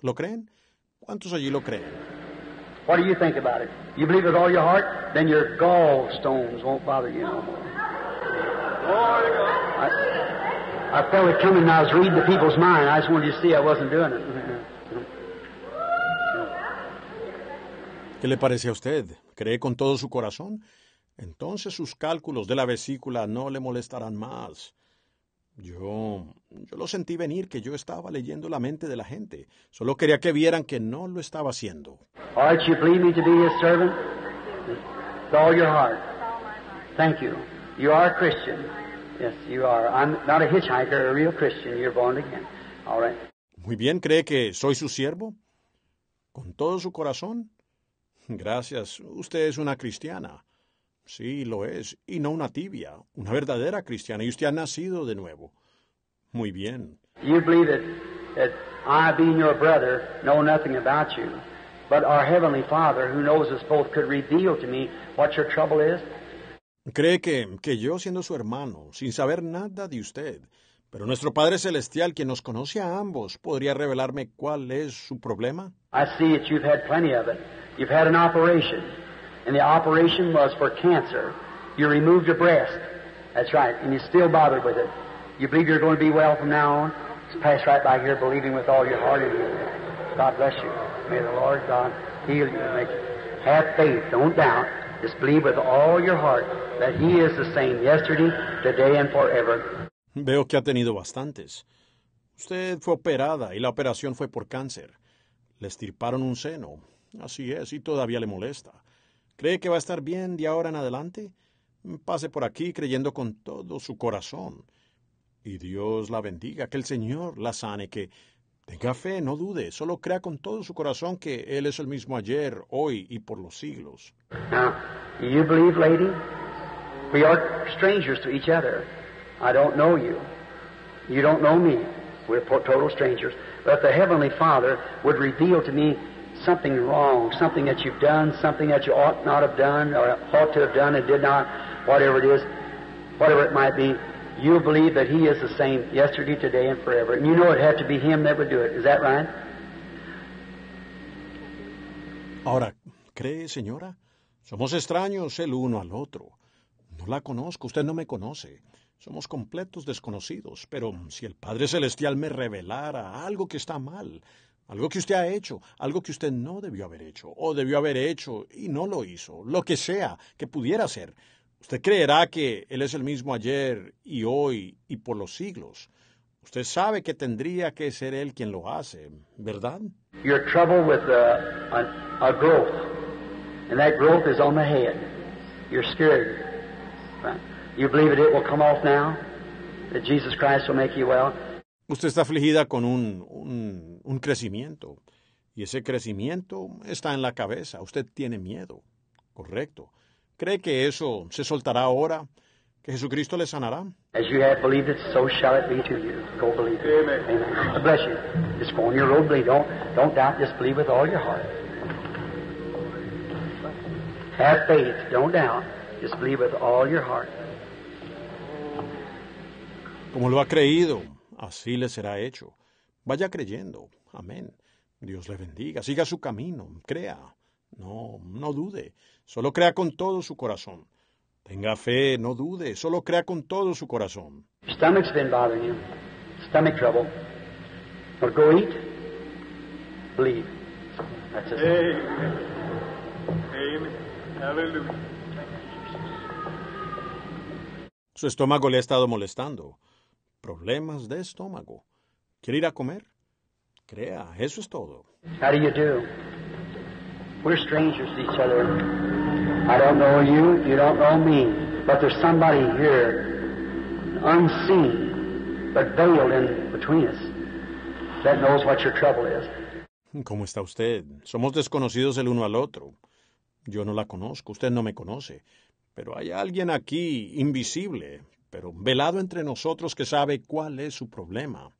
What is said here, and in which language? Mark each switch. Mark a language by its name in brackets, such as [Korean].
[Spanish] ¿Lo creen? ¿Cuántos allí lo creen? [English] What do you think about it? You believe with all your heart, then your gallstones won't bother you no more. I felt it coming. I was reading the people's mind. I just wanted you to see I wasn't doing it. [Spanish] ¿Qué le parece a usted? ¿Cree con todo su corazón? Entonces sus cálculos de la vesícula no le molestarán más. Yo lo sentí venir, que yo estaba leyendo la mente de la gente. Solo quería que vieran que no lo estaba haciendo. [English] Aren't you believe me to be his servant? With all your heart. Thank you. You are a Christian. Yes, you are. I'm not a hitchhiker, a real Christian. You're born again. All right. [Spanish] Muy bien, ¿cree que soy su siervo? ¿Con todo su corazón? Gracias. Usted es una cristiana. Sí, lo es. Y no una tibia. Una verdadera cristiana. Y usted ha nacido de nuevo. Muy bien. [English] You believe that I, being your brother, know nothing about you, but our Heavenly Father, who knows us both, could reveal to me what your trouble is? [Spanish] ¿Cree que yo, siendo su hermano, sin saber nada de usted, pero nuestro Padre Celestial, quien nos conoce a ambos, podría revelarme cuál es su problema? [English] I see that you've had plenty of it. You've had an operation, and the operation was for cancer. You removed your breast. That's right, and you're still bothered with it. You believe you're going to be well from now on? Just pass right by here believing with all your heart in you. God bless you. May the Lord God heal you and make you. Have faith. Don't doubt. Just believe with all your heart that He is the same yesterday, today, and forever. [Spanish] Veo que ha tenido bastantes. Usted fue operada, y la operación fue por cáncer. Le estirparon un seno. Así es, y todavía le molesta. ¿Cree que va a estar bien de ahora en adelante? Pase por aquí creyendo con todo su corazón. Y Dios la bendiga, que el Señor la sane, que tenga fe, no dude. Solo crea con todo su corazón que Él es el mismo ayer, hoy y por los siglos. [English] Now, do you believe, lady? We are strangers to each other. I don't know you. You don't know me. We're total strangers. But the Heavenly Father would reveal to me something wrong, something that you've done, something that you ought not have done, or ought to have done and did not, whatever it is, whatever it might be, you believe that He is the same yesterday, today, and forever. And you know it had to be Him that would do it. Is that right? [Spanish] Ahora, ¿cree, señora? Somos extraños el uno al otro. No la conozco. Usted no me conoce. Somos completos desconocidos. Pero si el Padre Celestial me revelara algo que está mal, algo que usted ha hecho, algo que usted no debió haber hecho, o debió haber hecho y no lo hizo, lo que sea que pudiera hacer, usted creerá que Él es el mismo ayer y hoy y por los siglos. Usted sabe que tendría que ser Él quien lo hace, ¿verdad? [English] Your trouble with a growth, and that growth is on the head. You're scared. You believe it will come off now, that Jesus Christ will make you well. [Spanish] Usted está afligida con un crecimiento, y ese crecimiento está en la cabeza. Usted tiene miedo, correcto. ¿Cree que eso se soltará ahora, que Jesucristo le sanará? [English] As you have believed it, so shall it be to you. Go believe it. Amen. God bless you. Just go on your road, believe. Don't doubt, just believe with all your heart. Have faith, don't doubt, just believe with all your heart. [Spanish] Como lo ha creído, así le será hecho. Vaya creyendo. Amén. Dios le bendiga. Siga su camino. Crea. No dude. Solo crea con todo su corazón. Tenga fe. No dude. Solo crea con todo su corazón. [English] Your stomach's been bothering you. Stomach trouble. But go eat. Believe. That's it. Amen. Hallelujah. [Spanish] Su estómago le ha estado molestando. Problemas de estómago. ¿Quiere ir a comer? Crea, eso es todo. [English] How do you do? We're strangers to each other. I don't know you, you don't know me. But there's somebody here, unseen, but veiled in between us, that knows what your trouble is. [Spanish] ¿Cómo está usted? Somos desconocidos el uno al otro. Yo no la conozco, usted no me conoce. Pero hay alguien aquí, invisible, pero velado entre nosotros, que sabe cuál es su problema.